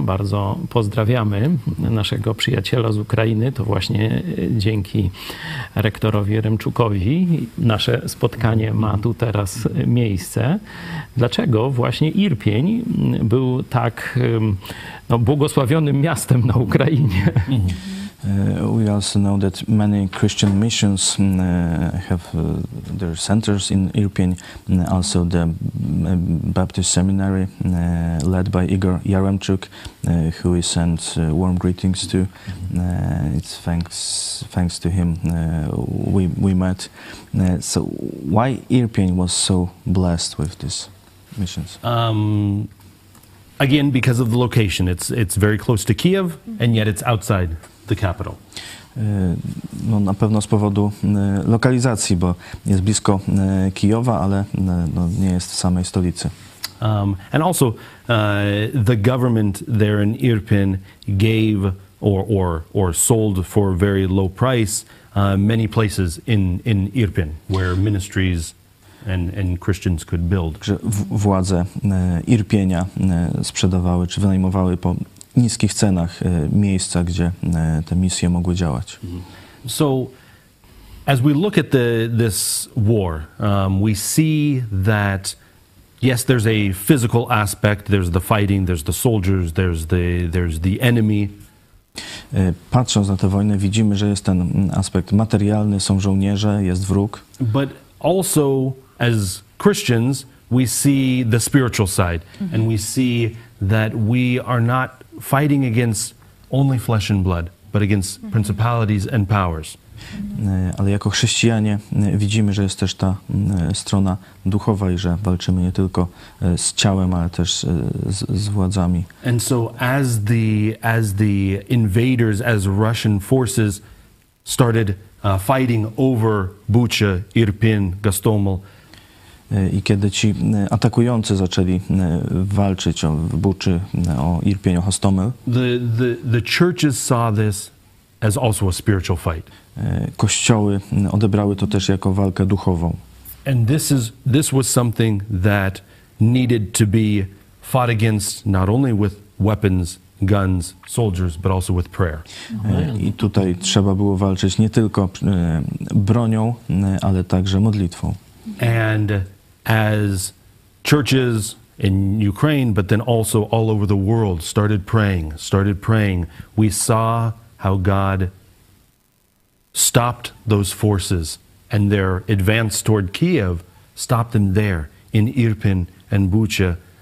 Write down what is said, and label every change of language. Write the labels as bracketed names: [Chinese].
[Polish] Bardzo pozdrawiamy naszego przyjaciela z Ukrainy. To właśnie dzięki rektorowi Jaremczukowi nasze spotkanie ma tu teraz miejsce. Dlaczego właśnie Irpień był tak błogosławionym miastem na Ukrainie? [English] We also know that many Christian missions have their centers in Irpin, also the Baptist seminary led by Igor Jaremczuk, who we sent warm greetings to. It's thanks to him we met. So why Irpin was so blessed with these missions? Again, because of the location. It's very close to Kiev, and yet it's outside the capital. [Polish] No na pewno z powodu lokalizacji, bo jest blisko Kijowa, ale no, nie jest w samej stolicy. [English] And also the government there in Irpin gave or sold for a very low price many places in Irpin where ministries and Christians could build. [Polish] Władze Irpienia sprzedawały czy wynajmowały po niskich cenach miejsca, gdzie te misje mogły działać. [English] So as we look at this war, we see that yes, there's a physical aspect, there's the fighting, there's the soldiers, there's the enemy. [Polish] Patrząc na tę wojnę, widzimy, że jest ten aspekt materialny, są żołnierze, jest wróg. [English] But also as Christians, we see the spiritual side, mm-hmm. and we see that we are not fighting against only flesh and blood, but against mm-hmm. principalities and powers. [Polish] Ale jako chrześcijanie widzimy, że jest też ta strona duchowa i że walczymy nie tylko z ciałem, ale też z władzami. [English] And so as the invaders, as Russian forces started fighting over Bucha, Irpin, Gostomel. [Polish] I kiedy ci atakujący zaczęli walczyć o Buczy, o Irpin, o Gostomel. [English] The churches saw this as also a spiritual fight. [Polish] Kościoły odebrały to też jako walkę duchową. [English] And this was something that needed to be fought against not only with weapons, guns, soldiers, but also with prayer. [Polish] I tutaj trzeba było walczyć nie tylko bronią, ale także modlitwą. [English] And as churches in Ukraine, but then also all over the world started praying, we saw how God stopped those forces and their advance toward Kiev, stopped them there in Irpin and Bucha.